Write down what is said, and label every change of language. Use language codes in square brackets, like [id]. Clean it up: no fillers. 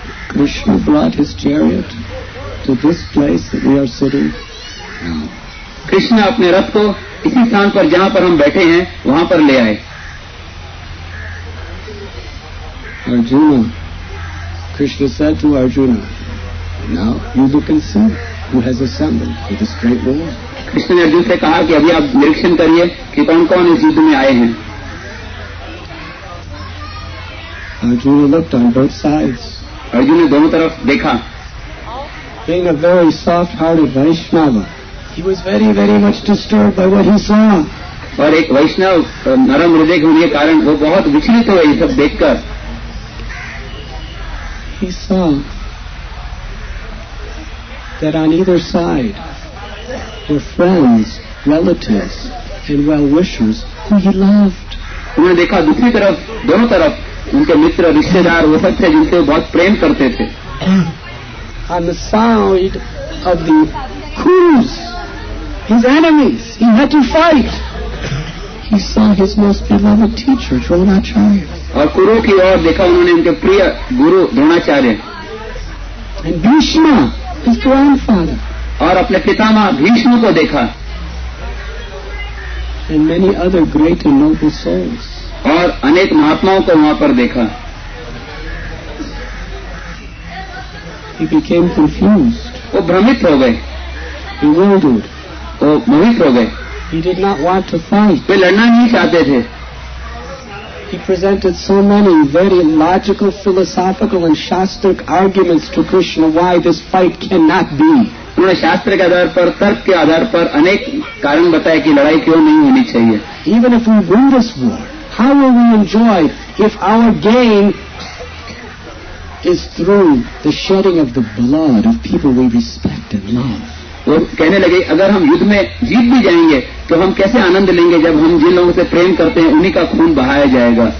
[en] Krishna brought his chariot to this place that we are sitting. [hi] Krishna अपने रथ को इसी स्थान पर जहां पर हम बैठे हैं वहां पर ले आए. [en] Arjuna, Krishna said to Arjuna, now you look and see who has assembled for this great war. [hi] Krishna ने अर्जुन से कहा कि अभी आप निरीक्षण करिए कि कौन कौन इस युद्ध में आए हैं. [en] Arjuna looked on both sides. [hi] Arjun ने दोनों तरफ देखा. [en] Being a very soft-hearted Vaishnava, he was very, very much disturbed by what he saw. [hi] और एक वैष्णव नरम हृदय होने के कारण वो बहुत विचलित हुए ये सब देखकर. [en] He saw that on either side were friends, relatives, and well-wishers who he loved. [hi] उन्होंने देखा दूसरी तरफ दोनों तरफ उनके मित्र रिश्तेदार वो सब थे जिनसे बहुत प्रेम करते थे. [en] On the side of the Kurus, his enemies, he had to fight. He saw his most beloved teacher, Dronacharya. [hi] और कुरु की ओर देखा उन्होंने उनके प्रिय गुरु Dronacharya. [en] And Bhishma, his grandfather. [hi] और अपने पितामह भीष्म को देखा. [en] And many other great and noble souls. [hi] और अनेक महात्माओं को वहां पर देखा. [en] He became confused. [hi] वो भ्रमित हो गए. [en] Bewildered. [hi] वो मोहित हो गए. [en] He did not want to fight. [hi] वे लड़ना नहीं चाहते थे. [en] He presented so many very logical, philosophical, and shastric arguments to Krishna why this fight cannot be. [hi] उन्होंने शास्त्र के आधार पर, तर्क के आधार पर अनेक कारण बताए कि लड़ाई क्यों नहीं होनी चाहिए. [en] Even if we win this war, how will we enjoy if our gain is through the shedding of the blood of people we respect and love? [hi] वो कहने लगे अगर हम युद्ध में जीत भी जाएंगे तो हम कैसे आनंद लेंगे जब हम जिन लोगों से प्रेम करते हैं उन्हीं का खून बहाया जाएगा.